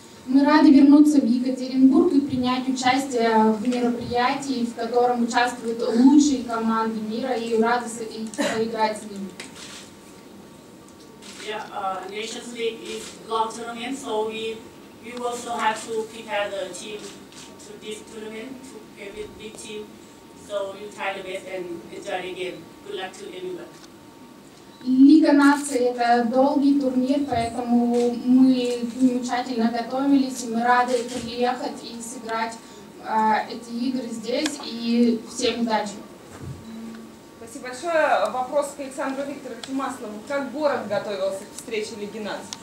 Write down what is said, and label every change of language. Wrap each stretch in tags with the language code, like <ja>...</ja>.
<ru>Мы рады вернуться в Екатеринбург и принять участие в мероприятии, в котором участвуют лучшие команды мира, и рады поиграть с ними.</ru> <en>Nations League is long tournament, so we also have to prepare the team to this tournament, to play with big team. So you try the best and enjoy the game. Good luck to everyone.</en> <ru>Лига наций – это долгий турнир, поэтому мы замечательно готовились, и мы рады приехать и сыграть эти игры здесь. И всем удачи! Спасибо большое. Вопрос к Александру Викторовичу Маслову. Как город готовился к встрече Лиги наций?</ru>